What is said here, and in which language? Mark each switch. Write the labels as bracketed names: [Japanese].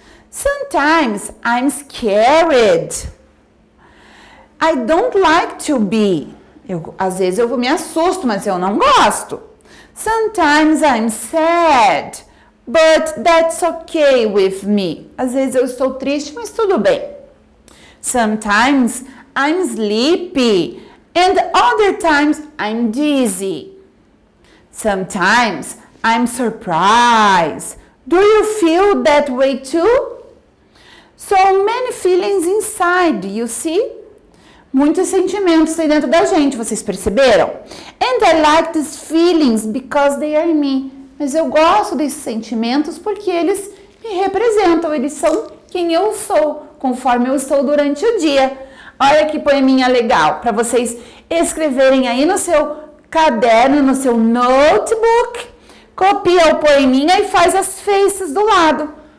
[English] Sometimes I'm scared. I don't like to be. [Portuguese] Às vezes eu me assusto, mas eu não gosto. [English] Sometimes I'm sad. But that's okay with me. [Portuguese] Às vezes eu estou triste, mas tudo bem. [English] Sometimes I'm sleepy. And other times I'm dizzy. Sometimes I'm surprised. Do you feel that way too? So many feelings inside, you see? [Portuguese] Muitos sentimentos aí dentro da gente, vocês perceberam? [English] And I like these feelings because they are me. [Portuguese] Mas eu gosto desses sentimentos porque eles me representam, eles são quem eu sou, conforme eu estou durante o dia. Olha que poeminha legal, para vocês escreverem aí no seu caderno, no seu notebook. Copia o poeminha e faz as faces do lado.